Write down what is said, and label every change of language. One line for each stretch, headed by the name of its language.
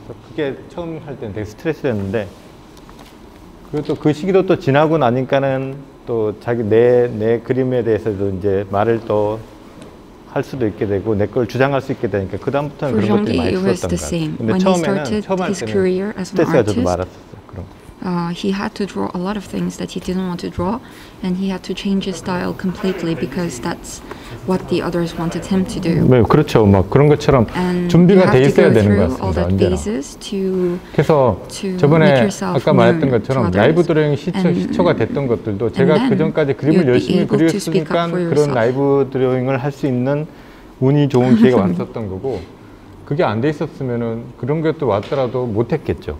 Korean: 그게 처음 할 때는 되게 스트레스였는데 그리고 또 그 시기도 또 지나고 나니까는 또 자기 내 그림에 대해서도 이제 말을 또 할 수도 있게 되고 내 걸 주장할 수 있게 되니까 그다음부터는 그런 것들이 많이 있었던 것 같아요. 근데 처음 할 때는 스트레스가 저도 많았었어요. 그런 거.
English: He had to draw a lot of things that he didn't want to draw and he had to change his style completely because that's what the others wanted him to do.
Korean: 네, 그렇죠. 막 그런 것처럼 준비가 돼 있어야 되는 것 같습니다. 언제나. 그래서 저번에 아까 말했던 것처럼 라이브 드로잉 시초가 됐던 것들도 제가 그전까지 그림을 열심히 그렸으니까 그런 라이브 드로잉을 할 수 있는 운이 좋은 기회가 왔었던 거고 그게 안 돼 있었으면은 그런 것도 왔더라도 못 했겠죠.